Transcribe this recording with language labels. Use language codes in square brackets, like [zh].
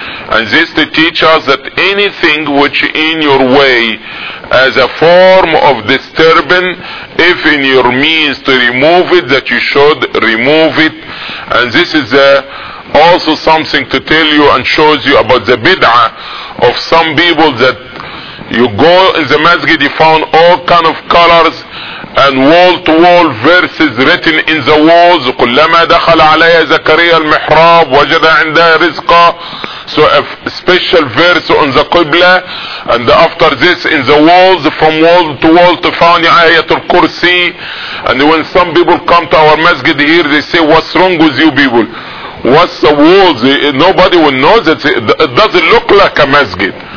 [en] And this to teach us that anything which in your way as a form of disturbing, if in your means to remove it, that you should remove it. And this is also something to tell you and shows you about the bid'ah of some people, that You go in the masjid, you found all kind of colors and wall-to-wall verses written in the walls. [ar] كلما دخل علي زكريا المحراب وجد عنده رزقا. [en] So a special verse on the Qibla, and after this in the walls, from wall to wall, to find Ayatul Kursi. And when some people come to our masjid here, they say, what's wrong with you people? What's the walls? Nobody will know that it doesn't look like a masjid.